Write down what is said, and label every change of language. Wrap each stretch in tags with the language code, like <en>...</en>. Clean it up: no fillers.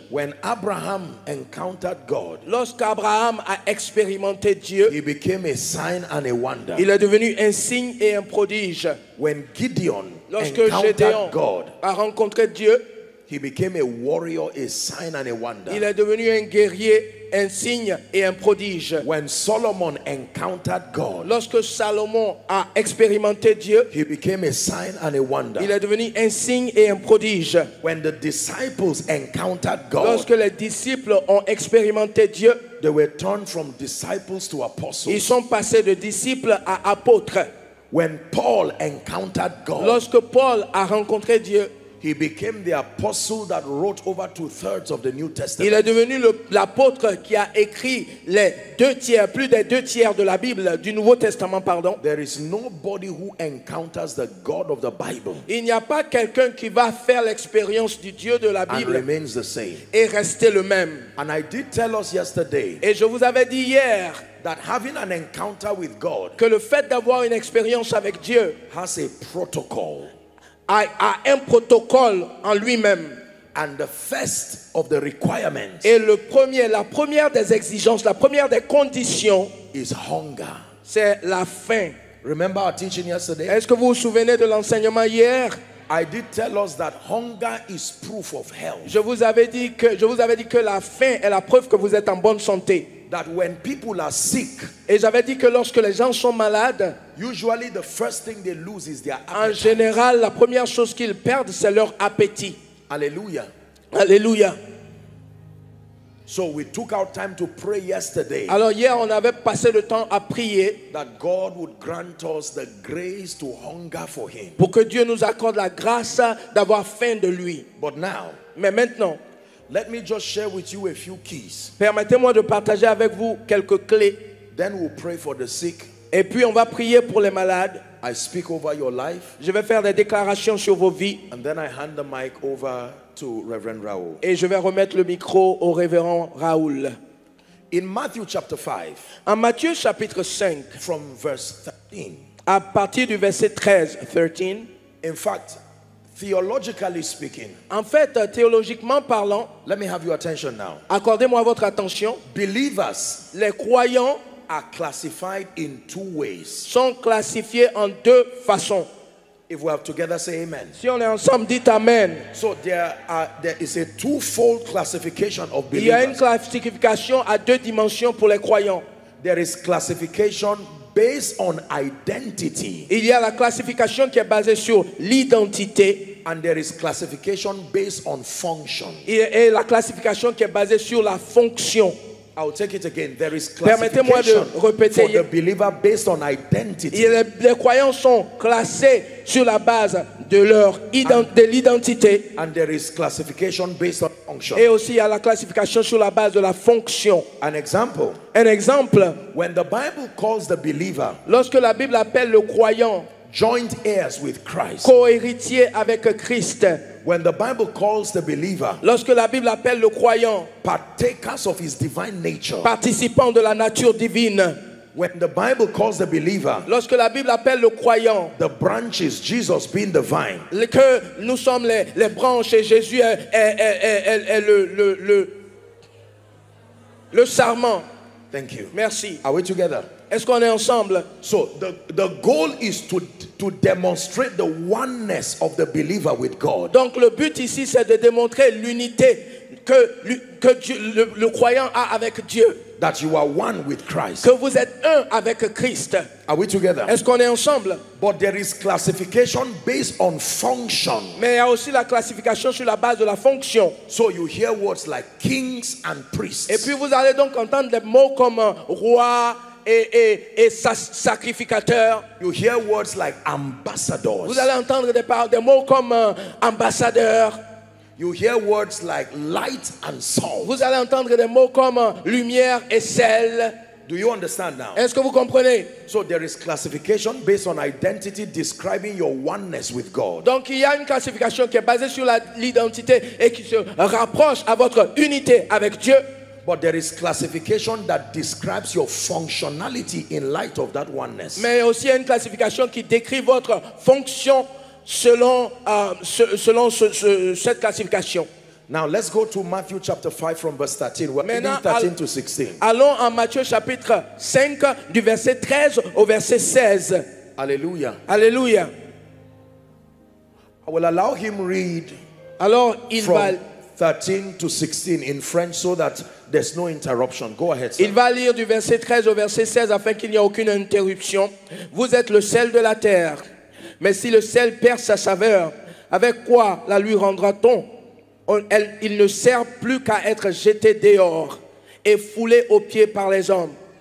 <en>When Abraham encountered God,</en> <fr>lorsqu'Abraham a expérimenté Dieu,</fr> <en>he became a sign and a wonder.</en> <fr>Il est devenu un signe et un prodige.</fr> <en>When Gideon encountered God,</en> <fr>a rencontré Dieu,</fr> <en>he became a warrior, a sign and a wonder.</en> <fr>Il est devenu un guerrier, un signe et un prodige.</fr> <en>When Solomon encountered God,</en> <fr>lorsque Salomon a expérimenté Dieu,</fr> <en>he became a sign and a wonder.</en> <fr>Il est devenu un signe et un prodige.</fr> <en>When the disciples encountered God,</en> <fr>lorsque les disciples ont expérimenté Dieu,</fr> <en>they were turned from disciples to apostles.</en> <fr>Ils sont passés de disciples à apôtres.</fr> <en>When Paul encountered God,</en> <fr>lorsque Paul a rencontré Dieu,</fr> <en>he became the apostle that wrote over 2/3 of the New Testament.</en> <fr>Il est devenu l'apôtre qui a écrit les deux tiers, plus des deux tiers de la Bible, du Nouveau Testament, pardon.</fr> <en>There is nobody who encounters the God of the Bible.</en> <fr>Il n'y a pas quelqu'un qui va faire l'expérience du Dieu de la Bible.</fr> <en>And remains the same.</en> <fr>Et rester le même.</fr> <en>And I did tell us yesterday.</en> <fr>Et je vous avais dit hier.</fr> <en>That having an encounter with God.</en> <fr>Que le fait d'avoir une expérience avec Dieu.</fr> <en>Has a protocol.</en> <fr>A un protocole en lui-même.</fr> <en>And the first of the requirements.</en> <fr>Et la première des exigences, la première des conditions,</fr> <en>is hunger.</en> <fr>C'est la faim.</fr> <en>Remember our teaching yesterday?</en> <fr>Est-ce que vous vous souvenez de l'enseignement hier?</fr> <en>I did tell us that hunger is proof of health.</en> <fr>Je vous avais dit que la faim est la preuve que vous êtes en bonne santé.</fr> <en>That when people are sick,</en> <fr>et j'avais dit que lorsque les gens sont malades,</fr> <en>usually the first thing they lose is their appetite.</en> <fr>En général, la première chose qu'ils perdent, c'est leur appétit. Alléluia. Alléluia.</fr> <en>So we took our time to pray yesterday.</en> <fr>Alors hier, on avait passé le temps à prier.</fr> <en>That God would grant us the grace to hunger for Him.</en> <fr>Pour que Dieu nous accorde la grâce d'avoir faim de Lui.</fr> <en>But now,</en> <fr>mais maintenant,</fr> <en>let me just share with you a few keys.</en> <fr>Permettez-moi de partager avec vous quelques clés.</fr> <en>Then we'll pray for the sick.</en> <fr>Et puis on va prier pour les malades.</fr> <en>I speak over your life.</en> <fr>Je vais faire des déclarations sur vos vies.</fr> <en>And then I hand the mic over to Reverend Raoul.</en> <fr>Et je vais remettre le micro au Révérend Raoul.</fr> <en>In Matthew chapter 5,</en> <fr>en Matthieu chapitre 5,</fr> <en>from verse 13,</en> <fr>à partir du verset 13,</fr> <en>in fact, theologically speaking,</en> <fr>en fait, théologiquement parlant,</fr> <en>let me have your attention now.</en> <fr>Accordez-moi votre attention.</fr> <en>Believers,</en> <fr>les croyants,</fr> <en>are classified in two ways.</en> <fr>Sont classifiés en deux façons.</fr> <en>If we have together, say amen.</en> <fr>Si on est ensemble, dites amen.</fr> <en>So there is a twofold classification of believers.</en> <fr>Il y a une classification à deux dimensions pour les croyants.</fr> <en>There is classification based on identity.</en> <fr>Il y a la classification qui est basée sur l'identité.</fr> <en>And there is classification based on function.</en> <fr>Et la classification qui est basée sur la fonction.</fr> <en>I'll take it again. There is classification for the believer based on identity.</en> <fr>Les croyants sont classés sur la base de leur de l'identité.</fr> <en>And there is classification based on function.</en> <fr>Et aussi il y a la classification sur la base de la fonction.</fr> <en>An example.</en> <fr>Un exemple.</fr> <en>When the Bible calls the believer,</en> <fr>lorsque la Bible appelle le croyant,</fr> <en>joint heirs with Christ,</en> <fr>co-héritier avec Christ.</fr> <en>When the Bible calls the believer,</en> <fr>lorsque la Bible appelle le croyant,</fr> <en>partakers of his divine nature,</en> <fr>participant de la nature divine.</fr> <en>When the Bible calls the believer,</en> <fr>lorsque la Bible appelle le croyant,</fr> <en>the branches, Jesus being the vine,</en> <fr>que nous sommes les branches et Jésus est le sarment.</fr> <en>Thank you.</en> <fr>Merci.</fr> <en>Are we together?</en> <fr>Est-ce qu'on est ensemble?</fr> <en>So the goal is to demonstrate the oneness of the believer with God.</en> <fr>Donc le but ici c'est de démontrer l'unité que Dieu, le croyant a avec Dieu.</fr> <en>That you are one with Christ.</en> <fr>Que vous êtes un avec Christ.</fr> <en>Are we together?</en> <fr>Est-ce qu'on est ensemble?</fr> <en>But there is classification based on function.</en> <fr>Mais il y a aussi la classification sur la base de la fonction.</fr> <en>So you hear words like kings and priests.</en> <fr>Et puis vous allez donc entendre des mots comme roi et sacrificateur.</fr> <en>You hear words like ambassadors.</en> <fr>Vous allez entendre des mots comme ambassadeur.</fr> <en>You hear words like light and salt.</en> <fr>Vous allez entendre des mots comme lumière et sel.</fr> <en>Do you understand now?</en> <fr>Est-ce que vous comprenez?</fr> <en>So there is classification based on identity describing your oneness with God.</en> <fr>Donc il y a une classification qui est basée sur l'identité et qui se rapproche à votre unité avec Dieu.</fr> <en>But there is classification that describes your functionality in light of that oneness.</en> <fr>Mais aussi une classification qui décrit votre fonction selon cette classification.</fr> <en>Now let's go to Matthew chapter 5 from verse 13. We're reading 13 to 16.</en> <fr>Allons en Matthieu chapitre 5 du verset 13 au verset 16. Alléluia. Alléluia.</fr> <en>I will allow him read.</en> <fr>Alors il va</fr> <en>13 to 16</en> <fr>in French</fr> <en>so that there's no interruption. Go ahead, sir.</en> <fr>Il va lire du verset 13 au verset 16 afin qu'il n'y ait aucune interruption. Vous êtes le sel de la terre. Mais si le sel perd sa saveur, avec quoi la lui rendra-t-on? Il ne sert plus qu'à être jeté dehors et foulé aux pieds par les hommes.</fr>